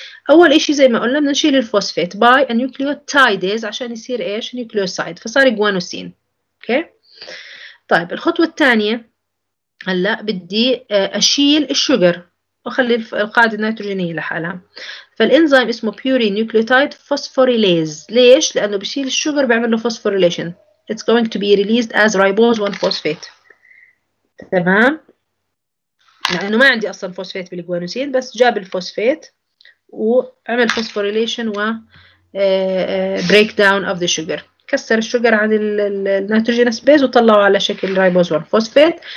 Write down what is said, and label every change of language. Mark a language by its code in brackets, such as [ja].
[ar] اول شيء زي ما قلنا بدنا نشيل الفوسفيت باي النيوكليوتايدز عشان يصير ايش؟ نيوكليوسايد، فصار جوانوسين. اوكي طيب الخطوه الثانيه هلا بدي اشيل الشوجر واخلي القاعده النيتروجينيه لحالها، فالإنزيم اسمه purine nucleotide phosphorylase. ليش؟ لأنه بشيل الشوغر بيعمل له phosphorylation. [en] It's going to be released as ribose 1 phosphate. [ar] تمام؟ لأنه ما عندي أصلاً فوسفات بالجوانوسين، بس جاب الفوسفات وعمل phosphorylation و [en] breakdown of the sugar. [ar] كسر الشوغر عن النيتروجين سبيس وطلعه على شكل ribose 1 phosphate.